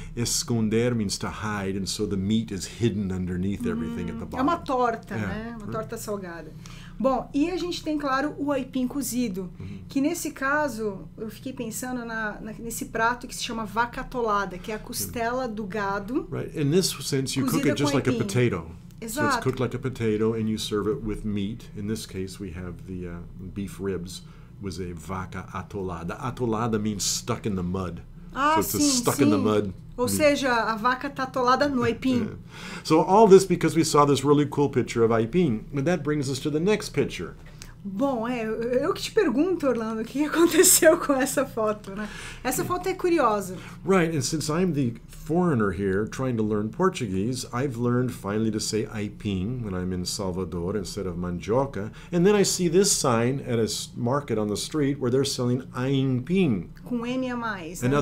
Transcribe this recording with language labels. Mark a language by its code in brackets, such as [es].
[en] Esconder means to hide, and so the meat is hidden underneath everything at the bottom. [pt] É uma torta, yeah. Né? Uma torta salgada. Bom, e a gente tem, claro, o aipim cozido, que nesse caso, eu fiquei pensando nesse prato que se chama vaca atolada, que é a costela do gado. [en] Right, in this sense, you cook it just like a potato. [pt] Exato. [en] So it's cooked like a potato and you serve it with meat. In this case, we have the beef ribs with a vaca atolada. Atolada means stuck in the mud. Ah, so it's [pt] sim, [en] a stuck [pt] sim. [en] in the mud. [pt] Ou seja, a vaca está atolada no aipim. [en] So all this because we saw this really cool picture of aipim. And that brings us to the next picture. [pt] Bom, eu que te pergunto, Orlando, o que aconteceu com essa foto, né? Essa foto é curiosa. [en] Right, and since I'm the foreigner here trying to learn Portuguese, I've learned finally to say aipim when I'm in Salvador instead of mandioca. And then I see this sign at a market on the street where they're selling aipim. [pt] Com M a mais, [en] And now